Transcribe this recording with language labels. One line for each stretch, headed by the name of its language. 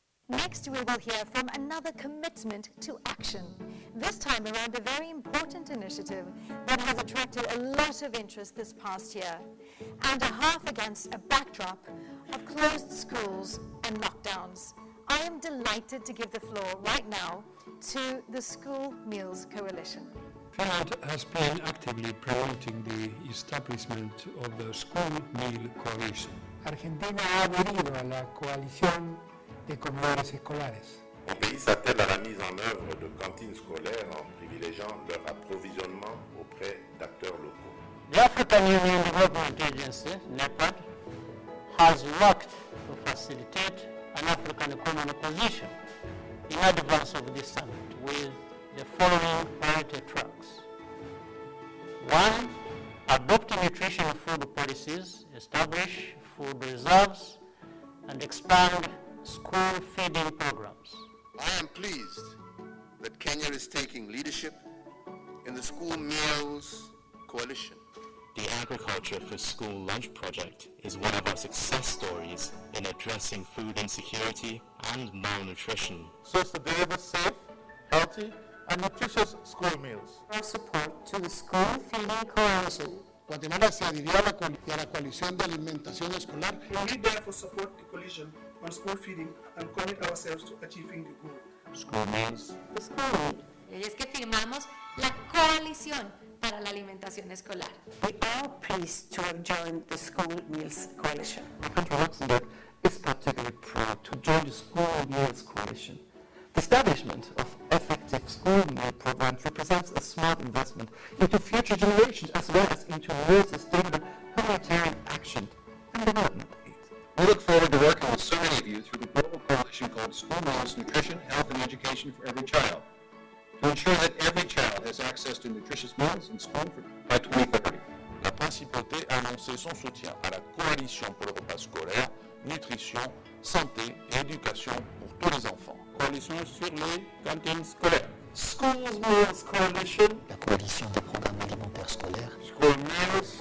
English: Next, we will hear from another commitment to action, this time around a very important initiative that has attracted a lot of interest this past year, and a half against a backdrop of closed schools and lockdowns. I am delighted to give the floor right now to the School Meals Coalition. Pride has been actively promoting the establishment of the School Meal Coalition.
Spanish: Argentina ha adherido a la coalición de comedores escolares.
French: Mon pays s'attelle à la mise en œuvre de cantines scolaires en privilégiant leur approvisionnement auprès d'acteurs locaux.
English: The African Union Development Agency, NEPAD, has worked to facilitate an African economic position in advance of this summit with the following priority tracks. One, adopt nutritional food policies, establish food reserves, and expand school feeding programs. I am pleased that Kenya is taking leadership in the School Meals Coalition. The Agriculture for School Lunch Project is one of our success stories in addressing food insecurity and malnutrition. So to deliver safe, healthy, and nutritious school meals. Our support to the School Feeding Coalition.
Spanish: Guatemala se adhirió a la coalición de alimentación escolar.
English: We need therefore support the coalition on school feeding and commit ourselves to achieving the goal. School meals. The school meal.
Spanish: Y es que firmamos la coalición para la alimentación escolar.
English: We are pleased to have joined the School Meals Coalition. The country of Luxembourg is particularly proud to join the School Meals Coalition. The establishment of effective school meal programs represents a smart investment into future generations as well as into more sustainable humanitarian action and development aids. We look forward to working with so many of you through the global coalition called School Meals Nutrition, Health and Education for Every Child to ensure that every child has access to nutritious meals in school by 2030.
French: La Principauté a annoncé son soutien à la coalition pour le repas scolaire, nutrition, santé et éducation pour tous les enfants. Coalition sur les cantines scolaires.
English: Schools Meals Coalition.
French: La coalition des programmes alimentaires scolaires.
English: School Meals.